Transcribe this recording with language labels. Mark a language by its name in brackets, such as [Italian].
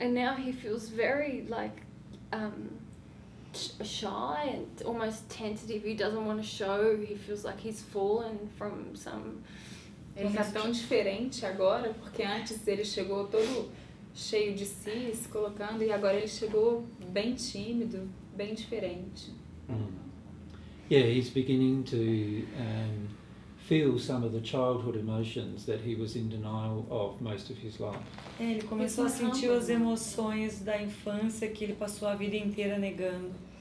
[English] And now he feels very, like, shy and almost tentative. He doesn't want to show. He feels like he's fallen from some... [Portuguese] Ele tá tão diferente agora, porque antes ele chegou todo... cheio de si, se colocando, e agora ele chegou bem tímido, bem diferente. Mm-hmm. [English] Yeah, he's beginning to feel some of the childhood emotions that he was in denial of most of his life. [Portuguese] Ele começou a sentir as emoções da infância que ele passou a vida inteira negando.